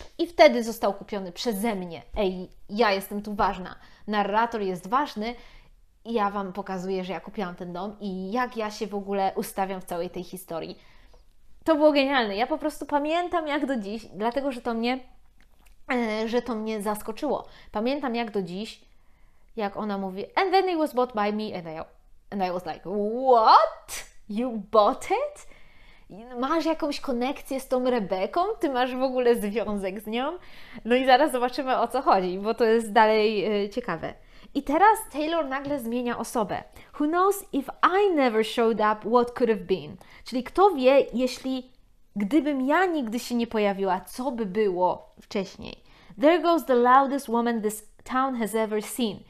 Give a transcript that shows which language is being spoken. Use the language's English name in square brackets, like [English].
[Polish] I wtedy został kupiony przeze mnie. Ej, ja jestem tu ważna. Narrator jest ważny. I ja Wam pokazuję, że ja kupiłam ten dom i jak ja się w ogóle ustawiam w całej tej historii. To było genialne. Ja po prostu pamiętam jak do dziś, dlatego, że to mnie zaskoczyło. Pamiętam jak do dziś, jak ona mówi, [English] and then it was bought by me, and I was like, what? You bought it? [Polish] Masz jakąś konekcję z tą Rebeką? Ty masz w ogóle związek z nią? No i zaraz zobaczymy, o co chodzi, bo to jest dalej ciekawe. I teraz Taylor nagle zmienia osobę. [English] Who knows if I never showed up, what could have been? [Polish] Czyli kto wie, jeśli gdybym ja nigdy się nie pojawiła, co by było wcześniej? [English] There goes the loudest woman this town has ever seen.